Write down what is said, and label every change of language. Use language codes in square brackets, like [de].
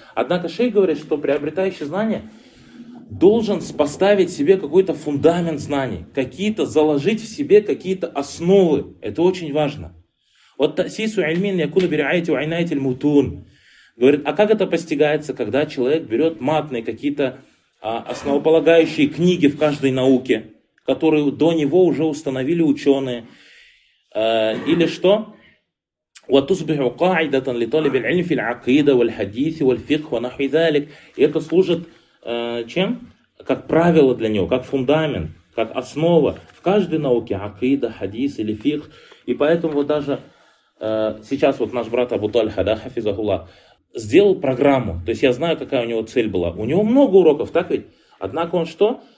[ru] Однако шейх говорит, что приобретающий знания должен поставить себе какой-то фундамент знаний, какие-то заложить в себе какие-то основы. Это очень важно. Вот [ar] тасису ильмин якуну бирайти уайнайти мутун. [ru] Говорит, а как это постигается, когда человек берет матные какие-то основополагающие книги в каждой науке, которые до него уже установили ученые? Или что? [ar] وَتُصْبِحُ قَاعِدَةً لِطَالِبِ الْعِلْمِ فِي الْعَقِيدَ وَالْحَدِيثِ وَالْفِقْهِ وَنَحْوِ ذَلِكَ. [ru] И это служит чем? Как правило для него, как фундамент, как основа в каждой науке, акида, хадис или фикх. И поэтому вот даже сейчас вот наш брат Абу Тальха, да, Хафизахулла, сделал программу. То есть я знаю, какая у него цель была. У него много уроков, так ведь? Однако он что?